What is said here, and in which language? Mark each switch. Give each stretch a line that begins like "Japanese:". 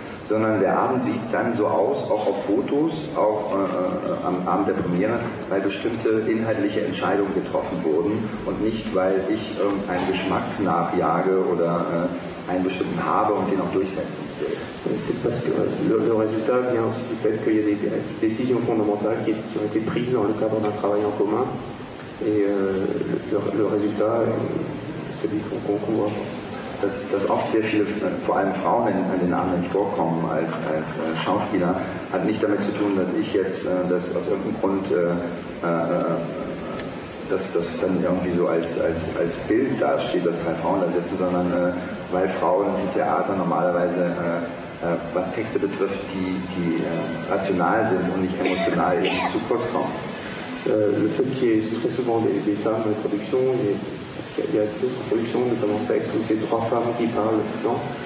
German: Sondern der Abend sieht dann so aus, auch auf Fotos, auch am Abend der Premiere, weil bestimmte inhaltliche Entscheidungen getroffen wurden und nicht, weil ich irgendeinen Geschmack nachjage oder einen bestimmten habe und den auch durchsetzen will.
French: C'est parce que le résultat vient aussi du fait qu'il y a des décisions fondamentales qui ont été prises dans le cadre d'un travail en commun. Et le résultat, c'est celui qu'on voit.
German: Dass oft sehr viele, vor allem Frauen, an den Abenden vorkommen als Schauspieler, hat nicht damit zu tun, dass ich jetzt das aus irgendeinem Grund das dann irgendwie so als Bild dasteht, dass drei Frauen da sitzen, sondern weil Frauen im Theater normalerweise, was Texte betrifft, die rational sind und nicht emotional eben zu kurz kommen.
French: Le fait qu'il y ait très souvent des femmes
German: in der Produktion,
French: il y a d'autres productions, notamment Sex, où c'est trois femmes qui parlent tout le temps.